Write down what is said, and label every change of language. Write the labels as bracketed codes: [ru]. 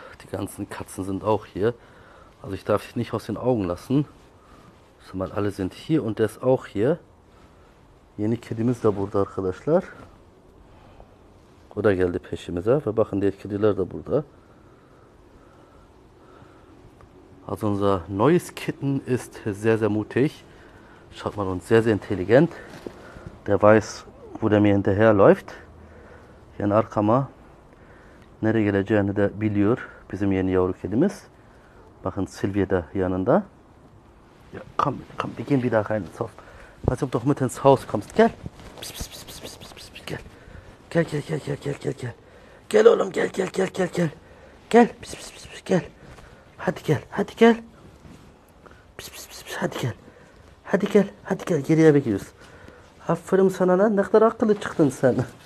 [de] Ganzen Katzen sind auch hier. Also ich darf dich nicht aus den Augen lassen. Schau mal, alle sind hier und der ist auch hier. [tr] Yeni kedimiz de burada arkadaşlar. O da geldi peşimize. Ve bakın diğer kediler de burada. [de] Also unser neues Kitten ist sehr, sehr mutig. Schaut mal, und sehr, sehr intelligent. Der weiß, wo der mir hinterherläuft. [tr] Yani arkama nereye geleceğini de biliyor. Bizim yeni yavru kedimiz. Bakın Silvia da yanında. [de] Ja, komm, komm, wir gehen wieder rein ins Haus. Als ob du doch mit ins Haus kommst, gell? [tr] Pis, pis, pis, pis, pis, pis, pis, pis, gel. Gel, gel, gel, gel, gel, gel, gel. Gel oğlum, gel, gel, gel, gel, gel. Gel, pis, pis, pis, pis, gel. Hadi gel, hadi gel. Pis, pis, pis, pis, hadi gel. Hadi gel, hadi gel, geriye bekliyoruz. Aferin sana lan, ne kadar akıllı çıktın sen.